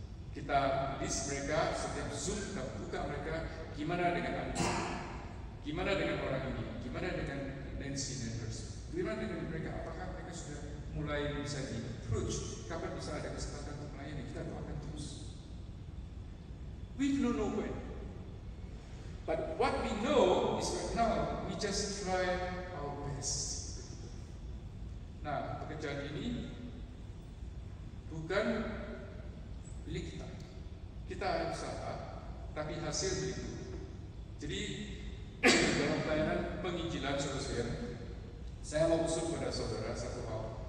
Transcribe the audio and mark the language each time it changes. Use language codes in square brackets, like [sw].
[id] Kita list mereka, setiap Zoom kita buka mereka, gimana dengan anda, gimana dengan orang ini, gimana dengan Nancy Nanders, gimana dengan mereka, apakah mereka sudah mulai bisa di approach, kapan bisa ada kesempatan untuk melayani, kita doakan terus. [en] We don't know when. But what we know is right now, we just try our best. [id] Nah, pekerjaan ini bukan milik kita. Kita usaha, tapi hasil milik itu. Jadi, dalam pelayanan penginjilan saudara-saudara, saya mau usul kepada saudara satu hal.